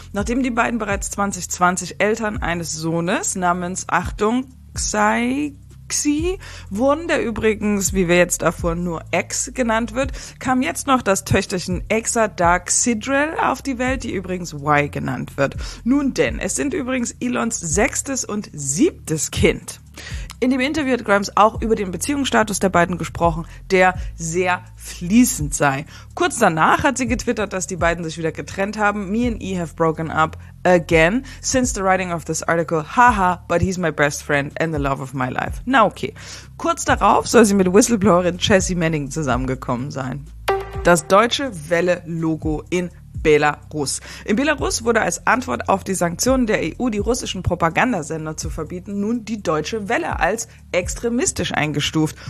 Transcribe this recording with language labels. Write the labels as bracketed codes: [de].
[de] Nachdem die beiden bereits 2020 Eltern eines Sohnes namens, Achtung, Xi, wurden, der übrigens, wie wir jetzt davor, nur X genannt wird, kam jetzt noch das Töchterchen Exa Dark Sidrel auf die Welt, die übrigens Y genannt wird. Nun denn, es sind übrigens Elons 6. und 7. Kind. In dem Interview hat Grimes auch über den Beziehungsstatus der beiden gesprochen, der sehr fließend sei. Kurz danach hat sie getwittert, dass die beiden sich wieder getrennt haben. [en] Me and E have broken up again since the writing of this article. Haha, but he's my best friend and the love of my life. [de] Na okay. Kurz darauf soll sie mit Whistleblowerin Chelsea Manning zusammengekommen sein. Das deutsche Welle-Logo in Belarus. In Belarus wurde als Antwort auf die Sanktionen der EU, die russischen Propagandasender zu verbieten, nun die Deutsche Welle als extremistisch eingestuft.